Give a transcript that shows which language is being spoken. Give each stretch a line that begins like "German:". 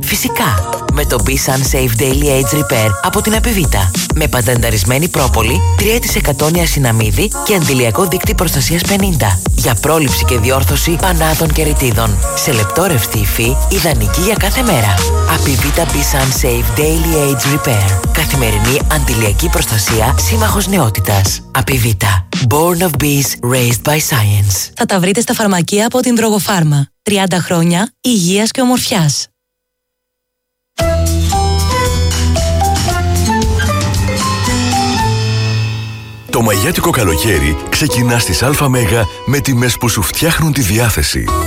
Greek: Φυσικά, με το Bissan Safe Daily Age Repair από την Απιβίτα. Με πατενταρισμένη πρόπολη, 3% νιασυναμίδη και αντιλιακό δίκτυ προστασίας 50. Για πρόληψη και διόρθωση πανάδων και ρητίδων. Σε λεπτό ρευστή υφή, ιδανική για κάθε μέρα. Απιβίτα Bissan Safe Daily Age Repair. Καθημερινή αντιλιακή προστασία, σύμμαχος νεότητας. Απιβίτα.
English: Born of Bees, Raised by Science.
Greek: Θα τα βρείτε στα φαρμακεία από την Δρογοφάρμα. 30 χρόνια υγείας και ομορφιάς. Το μαγιάτικο καλοκαίρι ξεκινά στις Αλφα Μέγα με τιμές που σου φτιάχνουν τη διάθεση.